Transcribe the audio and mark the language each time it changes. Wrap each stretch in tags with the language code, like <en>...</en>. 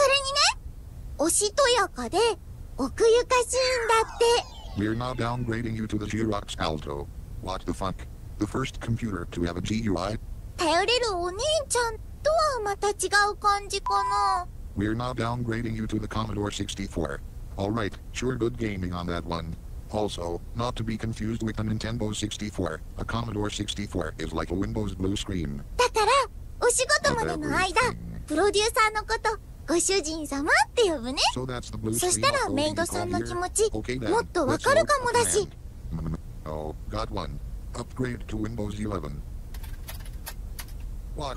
<ja>それにね、おしとやかで奥ゆかしいんだって。</ja> <en>We're now downgrading you to the G-Rock's Alto. What the fuck? The first computer to have a GUI?</en> <ja>頼れるお姉ちゃんとはまた違う感じかな。</ja> <en>We're now downgrading you to the Commodore 64. Alright, sure good gaming on that one. Also, not to be confused with the Nintendo 64, a Commodore 64 is like a Windows blue screen.</en> <ja>だから、お仕事までの間、プロデューサーのこと、ご主人様って呼ぶね。</ja> <en>So that's the blue</en> <ja>screen. そしたらメイドさんの気持ち、もっとわかるかもだし。</ja> <en>Oh, got one. Upgrade to Windows 11. What?</en>